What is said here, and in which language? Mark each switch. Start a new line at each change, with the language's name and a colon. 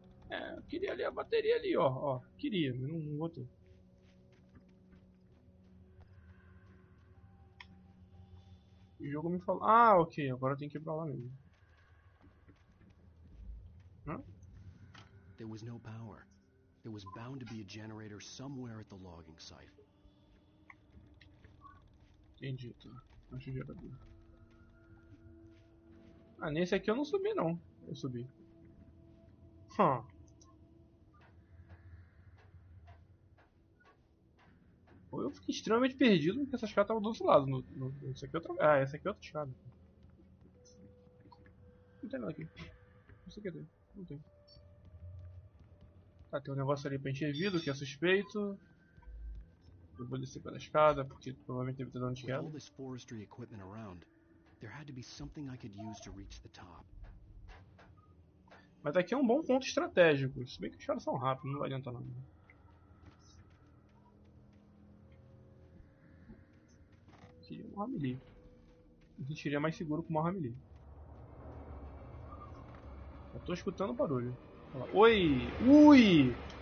Portuguese: É, eu queria ali a bateria ali, ó. Queria, mas não vou ter. O jogo me falou. Ah, ok, agora tem que ir pra lá mesmo.
English: Hã? There was no power. There was bound to be a generator somewhere at the logging site.
Portuguese: Entendi, tá. Acho que já tá bom. Ah, nesse aqui eu não subi não. Eu subi. Pô, eu fiquei extremamente perdido porque essa escada tava do outro lado. Esse aqui é outro. Ah, essa aqui é outra escada. Não tem nada aqui. Não sei o que tem. Não tem. Tá, tem um negócio ali pra encher vidro que é suspeito. Eu vou descer pela escada, porque provavelmente deve ter dado onde quer. Com todo esse
English: forestry equipment around. There had to be something I could use to reach the top.
Portuguese: Mas aqui é um bom ponto estratégico. Se bem que os caras são rápidos, não vai adiantar nada. Seria uma Ramili. A gente seria mais seguro com uma Ramili. Eu tô escutando o barulho. Oi! Ui!